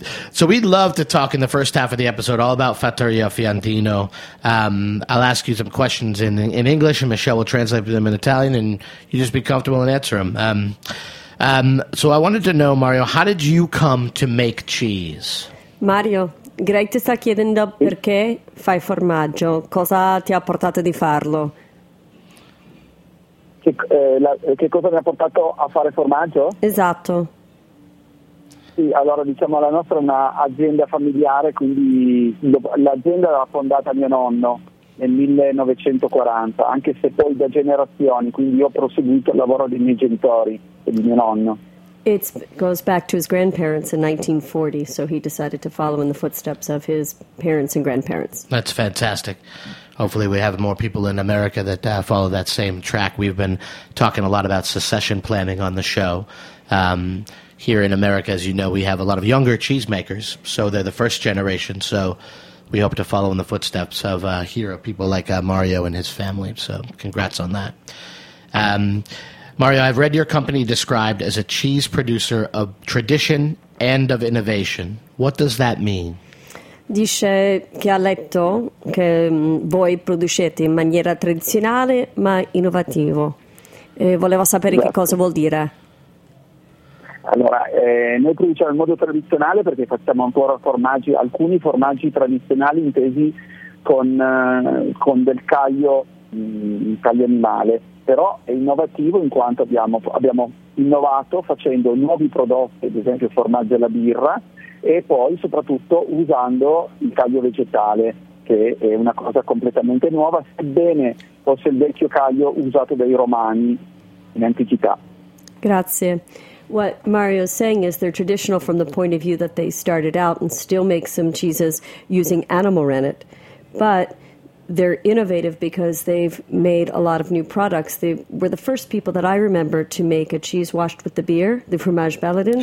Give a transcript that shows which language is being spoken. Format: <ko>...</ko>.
<en>So we'd love to talk in the first half of the episode all about Fattoria Fiandino. I'll ask you some questions in English, and Michelle will translate them in Italian, and you just be comfortable and answer them. So I wanted to know, Mario, how did you come to make cheese? Mario.</en> <it>Greg ti sta chiedendo perché fai formaggio, cosa ti ha portato di farlo? Che cosa mi ha portato a fare formaggio? Esatto. Sì, allora diciamo la nostra è un'azienda familiare, quindi l'azienda l'ha fondata mio nonno nel 1940, anche se poi da generazioni, quindi io ho proseguito il lavoro dei miei genitori e di mio nonno.</it> <en>It goes back to his grandparents in 1940, so he decided to follow in the footsteps of his parents and grandparents. That's fantastic. Hopefully we have more people in America that follow that same track. We've been talking a lot about succession planning on the show. Here in America, as you know, we have a lot of younger cheesemakers, so they're the first generation, so we hope to follow in the footsteps of here, people like Mario and his family, so congrats on that. Mario, I've read your company described as a cheese producer of tradition and of innovation. What does that mean?</en> <it>Dice che ha letto che voi producete in maniera tradizionale ma innovativo. E volevo sapere che cosa vuol dire. Allora, noi produciamo in modo tradizionale perché facciamo ancora formaggi, alcuni formaggi tradizionali intesi con del caglio animale. Però è innovativo in quanto abbiamo innovato facendo nuovi prodotti, ad esempio il formaggio e la birra, e poi soprattutto usando il caglio vegetale, che è una cosa completamente nuova, sebbene fosse il vecchio caglio usato dai romani in antichità. Grazie.</it> <en>What Mario is saying is they're traditional from the point of view that they started out and still make some cheeses using animal rennet, but they're innovative because they've made a lot of new products. They were the first people that I remember to make a cheese washed with the beer, the fromage baladin.</en>